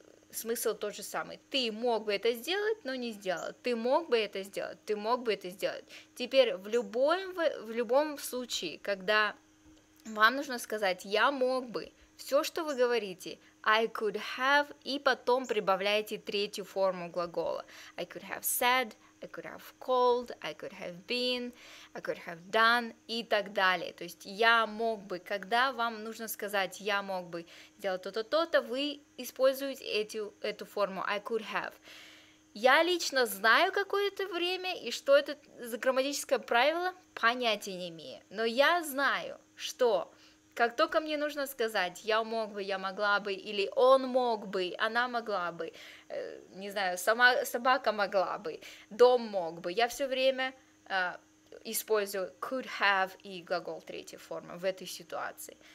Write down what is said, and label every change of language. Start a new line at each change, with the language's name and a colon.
Russian: Смысл тот же самый. Ты мог бы это сделать, но не сделал. Ты мог бы это сделать, ты мог бы это сделать. Теперь в любом случае, когда вам нужно сказать «я мог бы», все, что вы говорите
English: «I could have»,
Russian: и потом прибавляете третью форму глагола.
English: «I could have said», «I could have called», «I could have been», «I could have done»
Russian: и так далее. То есть «я мог бы», когда вам нужно сказать «я мог бы сделать то-то, то-то», вы используете эту форму
English: «I could have».
Russian: Я лично знаю какое-то время, и что это за грамматическое правило, понятия не имею. Но я знаю, что как только мне нужно сказать «я мог бы», «я могла бы», или «он мог бы», «она могла бы», не знаю, «сама собака могла бы», «дом мог бы», я все время использую
English: «could have»
Russian: и глагол третьей формы в этой ситуации.